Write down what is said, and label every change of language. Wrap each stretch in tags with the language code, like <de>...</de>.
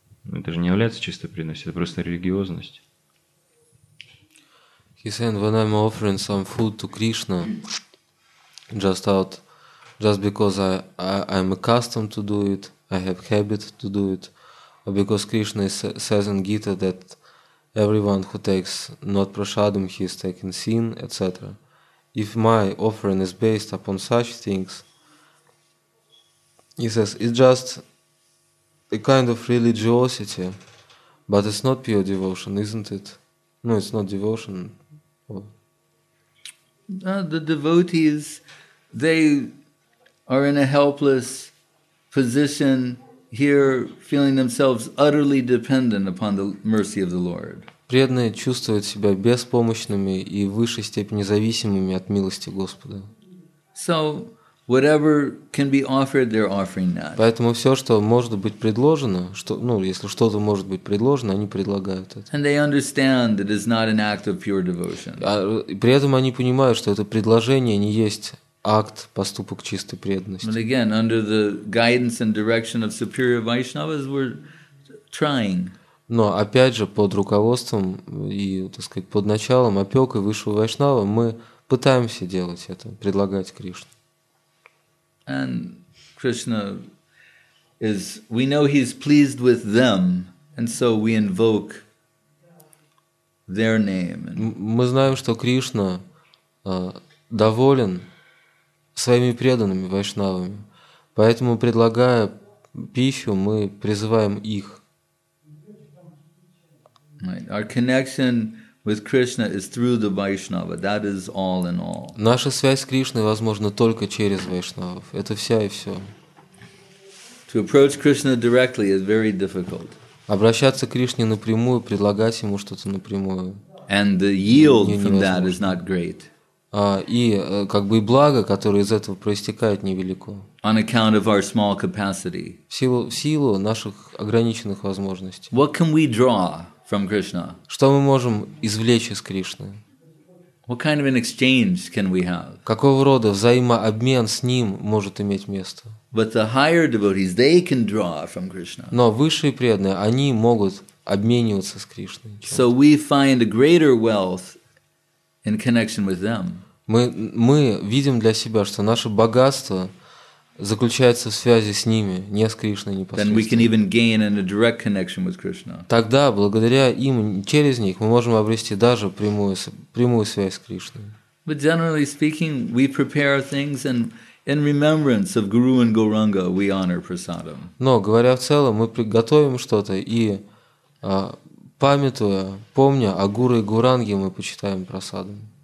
<ru>Это же не является чистой преданностью, это просто религиозность.</ru> <en>He said, when I'm offering some food to Krishna, just because I'm accustomed to do it, I have habit to do it, or because Krishna says in Gita that everyone who takes not prasadam, he is taking sin, etc. If my offering is based upon such things, he says, it's just a kind of religiosity, but it's not pure devotion, isn't it? No, it's not devotion. The devotees, they are in a helpless position here, feeling themselves utterly dependent upon the mercy of the Lord.</en> <ru>Преданные чувствуют себя беспомощными и в высшей степени зависимыми от милости Господа.</ru> <en>So, whatever can be offered, they're offering that.</en> <ru>Поэтому все, что может быть предложено, что, ну, если что-то может быть предложено, они предлагают это.</ru> <en>And they understand that it's not an act of pure devotion.</en> <ru>При этом они понимают, что это предложение не есть акт, поступок чистой преданности.</ru> <en>But again, under the guidance and direction of superior Vaishnavas, we're trying.</en> <ru>Но опять же, под руководством и, так сказать, под началом опекой высшего Вайшнава мы пытаемся делать это, предлагать Кришну.</ru> <en>And Krishna is, we know he's pleased with them, and so we invoke their name.</en> <ru>Мы знаем, что Кришна доволен своими преданными вайшнавами, поэтому, предлагая пищу, мы призываем их.</ru> <en>Right. Our connection with Krishna is through the Vaishnava. That is all in all.</en> <ru>Наша связь с Кришной возможна только через Вайшнавов. Это вся и все.</ru> <en>To approach Krishna directly is very difficult.</en> <ru>Обращаться к Кришне напрямую, предлагать ему что-то напрямую.</ru> <en>And the yield from that is not great.</en> <ru>И как бы и благо, которое из этого проистекает, невелико.</ru> <en>On account of our small capacity.</en> <ru>В силу наших ограниченных возможностей.</ru> <en>What can we draw from Krishna?</en> <ru>Что мы можем извлечь из Кришны?</ru> <en>What kind of an exchange can we have?</en> <ru>Какого рода взаимообмен с ним может иметь место?</ru> <en>But the higher devotees, they can draw from Krishna.</en> <ru>Но высшие преданные, они могут обмениваться с Кришной.</ru> <en>So we find a greater wealth in connection with them.</en> <ru>Мы видим для себя, что наше богатство заключается в связи с ними, не с Кришной непосредственно.</ru> <en>Then we can even gain in a direct connection with Krishna.</en> <ru>Тогда, благодаря им, через них, мы можем обрести даже прямую связь с Кришной.</ru> <en>But generally speaking, we prepare things and in remembrance of Guru and Gauranga, we honor prasadam.</en> <ru>Но, говоря в целом, мы приготовим что-то и памятуя, помня о Гуру и Гуранге, мы почитаем прасадом.</ru>